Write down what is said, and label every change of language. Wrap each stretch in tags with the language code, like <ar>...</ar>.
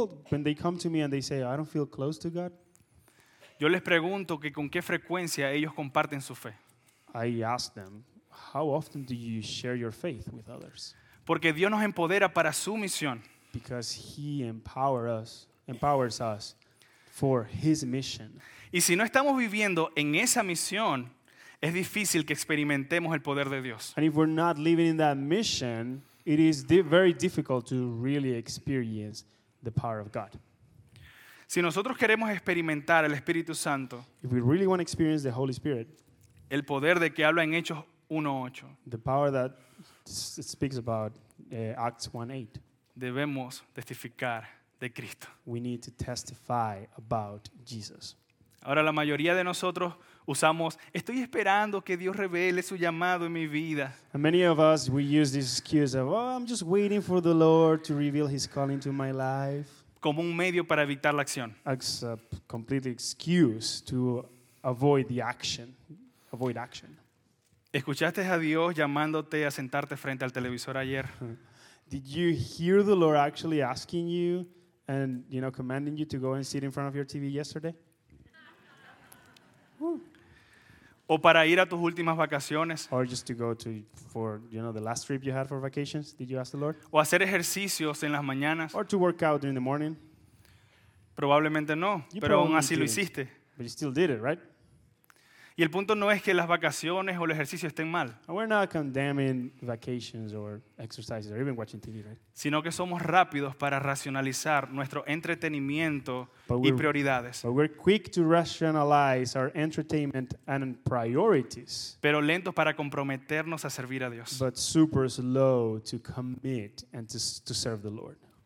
<en>when they come to me and they say I don't feel close to God,</en> <es>yo les pregunto que con qué frecuencia ellos comparten su fe.</es> <en>I ask them, how often do you share your faith with others?</en> <es>Porque Dios nos empodera para su misión.</es> <en>Because he empowers us for his mission.</en> <es>Y si no estamos viviendo en esa misión, es difícil que experimentemos el poder de Dios.</es> <en>And if we're not living in that mission, it is very difficult to really experience the power of God.</en> <es>Si nosotros queremos experimentar el Espíritu Santo,</es> <en>if we really want to experience the Holy Spirit,</en> <es>el poder de que habla en Hechos 1:8,</es> <en>the power that it speaks about Acts 1:8,</en> <es>debemos testificar de Cristo.</es> <en>We need to testify about Jesus.</en> <es>Ahora la mayoría de nosotros usamos, estoy esperando que Dios revele su llamado en mi vida.</es> <en>And many of us, we use this excuse of, oh, I'm just waiting for the Lord to reveal his calling to my life.</en> <es>Como un medio para evitar la acción.</es> <en>As a complete excuse to avoid the action. Avoid action.</en> <es>¿Escuchaste a Dios llamándote a sentarte frente al televisor ayer?</es> <en>Did you hear the Lord actually asking you and, you know, commanding you to go and sit in front of your TV yesterday?</en> <es>O para ir a tus últimas vacaciones.</es> <en>Or just to go to, for, you know, the last trip you had for vacations. Did you ask the Lord?</en> <es>O hacer ejercicios en las mañanas.</es> <en>Or to work out during the morning.</en> <es>Probablemente no,</es> <en>you</en> <es>pero aún así lo hiciste.</es> <en>But you still did it, right?</en> <es>Y el punto no es que las vacaciones o el ejercicio estén mal.</es> <en>We're not condemning vacations or exercises or even watching TV, right?</en> <es>Sino que somos rápidos para racionalizar nuestro entretenimiento y prioridades.</es> <en>But we're quick to rationalize our entertainment and priorities.</en> <es>Pero lentos para comprometernos a servir a Dios.</es> <en>But super slow to commit and to serve the Lord.</en>